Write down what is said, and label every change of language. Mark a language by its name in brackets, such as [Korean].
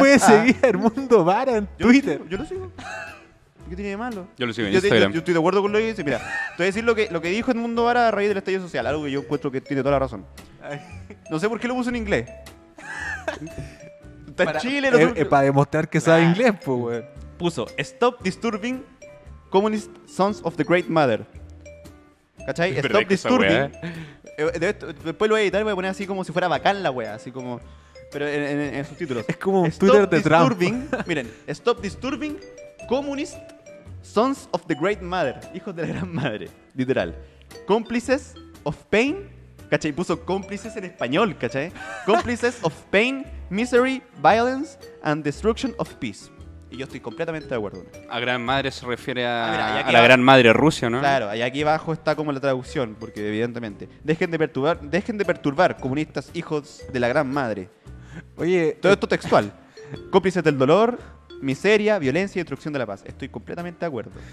[Spanish] ¿Quién puede seguir a Edmundo Vara en Twitter? Yo lo sigo. ¿Qué tiene de malo? Yo lo sigo en Instagram. Yo estoy de acuerdo con lo que dice. Mira, te voy a decir lo que dijo Edmundo Vara a raíz del estallido social. Algo que yo encuentro que tiene toda la razón. No sé por qué lo puso en inglés. Está en Chile. Para demostrar que sabe inglés, pues, güey. Puso, [English] stop disturbing communist sons of the great mother. [Spanish] ¿Cachai? [English] Stop disturbing. [Spanish] Después lo voy a editar y voy a poner así como si fuera bacán la wea. Así como... Pero en subtítulos. Es como un Twitter de Trump. Miren, [English] stop disturbing communist sons of the great mother. [Spanish] Hijos de la gran madre. Literal. Cómplices [English] of pain. [Spanish] ¿Cachai? Puso cómplices en español. ¿Cachai? Cómplices [English] of pain, misery, violence and destruction of peace. [Spanish] Y yo estoy completamente de acuerdo. A gran madre se refiere a la gran madre Rusia, ¿no? Claro, y aquí abajo está como la traducción, porque evidentemente. Dejen de perturbar, comunistas hijos de la gran madre. Oye, todo esto textual. Cómplices del dolor, miseria, violencia y destrucción de la paz. Estoy completamente de acuerdo.